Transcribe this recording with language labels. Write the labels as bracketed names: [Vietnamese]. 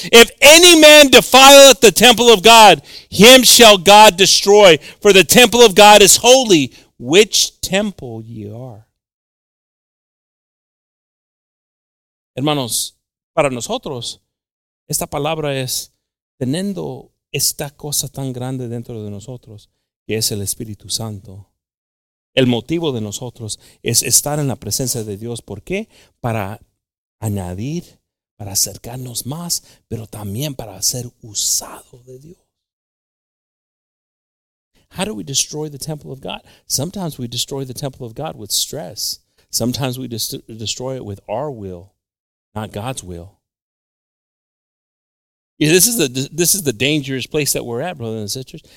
[English] If any man defileth the temple of God, him shall God destroy, for the temple of God is holy, which temple ye are. [Spanish] Hermanos, para nosotros, esta palabra es, teniendo esta cosa tan grande dentro de nosotros, que es el Espíritu Santo, el motivo de nosotros es estar en la presencia de Dios. ¿Por qué? Para añadir, para acercarnos más, pero también para ser usado de Dios. [English] How do we destroy the temple of God? Sometimes we destroy the temple of God with stress. Sometimes we destroy it with our will, not God's will. This is the dangerous place that we're at, brothers and sisters.